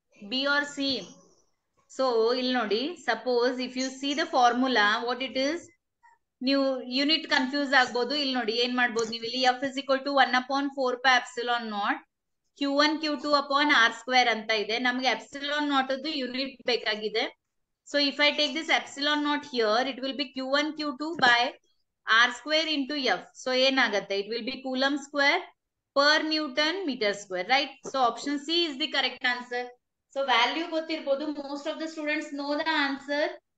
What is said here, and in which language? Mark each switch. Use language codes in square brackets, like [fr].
[en] B or C. So, [kn] ill nodi. [en] Suppose if you see the formula, what it is? [kn] ನೀವು unit confuse ಆಗ್ಬೋದು. ಇಲ್ಲಿ ನೋಡಿ ಏನ್ ಮಾಡ್ಬೋದು ನೀವು, ಇಲ್ಲಿ [en] F is equal to 1/4 epsilon not Q 1 Q 2 / r² [kn] ಅಂತ ಇದೆ. ನಮ್ಗೆ ಎಪ್ಸಿಲಾನ್ ನಾಟ್ ಅದು ಯೂನಿಟ್ ಬೇಕಾಗಿದೆ. [en] So if I take this epsilon naught here, it will be Q1 Q2 by R square into F. So [kn] en agutte, [en] it will be Coulomb square per Newton meter square, right? So option C is the correct answer. So [kn] value gotirbodu, [en] most of the students know the answer.